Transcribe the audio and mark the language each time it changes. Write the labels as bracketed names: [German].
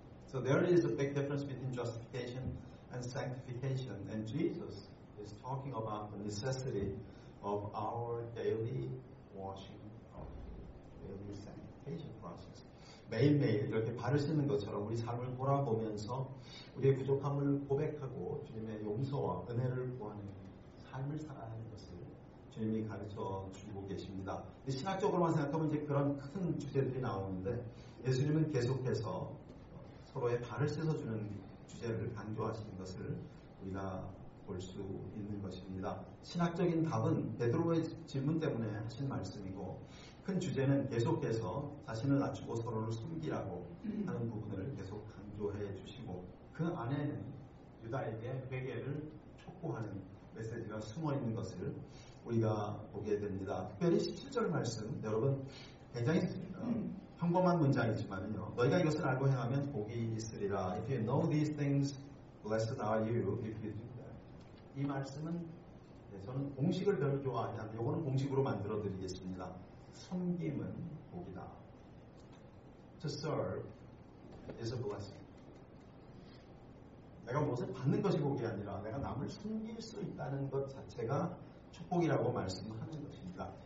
[English] So there is a big difference between justification and sanctification. And Jesus is talking about the necessity of our daily washing, of daily sanctification process. [Korean] 매일매일 이렇게 발을 씻는 것처럼 우리 삶을 돌아보면서 우리의 부족함을 고백하고 주님의 용서와 은혜를 구하는 삶을 살아야 하는 것을 주님이 가르쳐 주고 계십니다. 신학적으로만 생각하면 이제 그런 큰 주제들이 나오는데, 예수님은 계속해서 서로의 발을 씻어주는 주제를 강조하시는 것을 우리가 볼 수 있는 것입니다. 신학적인 답은 베드로의 질문 때문에 하신 말씀이고, 큰 주제는 계속해서 자신을 낮추고 서로를 숨기라고 하는 부분을 계속 강조해 주시고, 그 안에는 유다에게 회개를 촉구하는 메시지가 숨어 있는 것을 우리가 보게 됩니다. 특별히 17절 말씀, 여러분 굉장히 평범한 문장이지만요. 너희가 이것을 알고 행하면 복이 있으리라. [English] If you know these things, blessed are you if you do that. [Korean] 이 말씀은, 네, 저는 공식을 별로 좋아하지 않는데, 이거는 공식으로 만들어 드리겠습니다. 섬김은 복이다. [English] To serve is a blessing. [Korean] 내가 무엇을 받는 것이 복이 아니라 내가 남을 섬길 수 있다는 것 자체가 축복이라고 말씀하는 것입니다.